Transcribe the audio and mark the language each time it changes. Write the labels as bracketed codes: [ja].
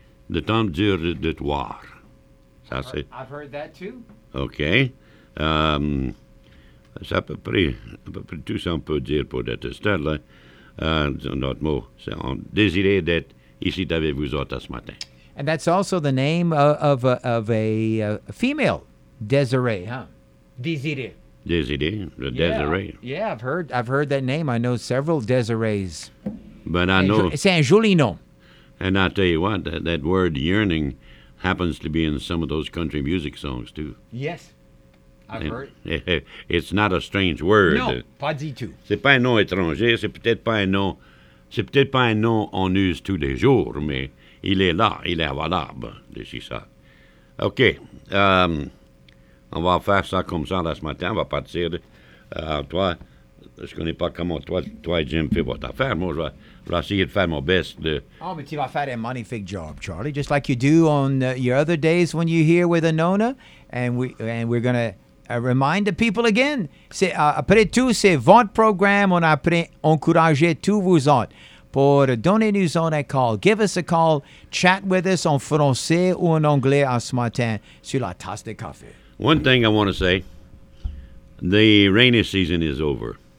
[fr] Le temps dure de te voir. Ça, c'est... [en] I've heard that too. Okay. [fr] C'est à peu près tout ce qu'on peut dire pour être stade là. Notre mot, c'est on désirait d'être ici avec vous autres ce matin. [en] And that's also the name of a female, Desiree, huh? [fr] Désiré. [en] Yeah. Yeah, I've heard that name. I know several Desirées. But I know... [fr] C'est un joli nom. [en] And I'll tell you what, that word yearning happens to be in some of those country music songs, too. Yes, I've heard. It's not a strange word. [fr] Non, pas du tout. C'est pas un nom étranger, c'est peut-être pas un nom on use tous les jours, mais il est là, il est valable, je dis ça. OK, on va faire ça comme ça là ce matin, on va partir. Toi, je ne connais pas comment toi et Jim fait votre affaire. Moi, je vais essayer de faire mon best. Oh, mais tu vas faire un magnifique job, [en] Charlie, just like you do on your other days when you're here with Anona. And we're going to remind the people again. [fr] Après tout, c'est votre programme. On a encouragé tous vous autres pour donner-nous un call. [en] Give us a call. Chat with us [fr] en français ou en anglais ce matin sur la Tasse de Café. [en] One thing I want to say, the rainy season is over.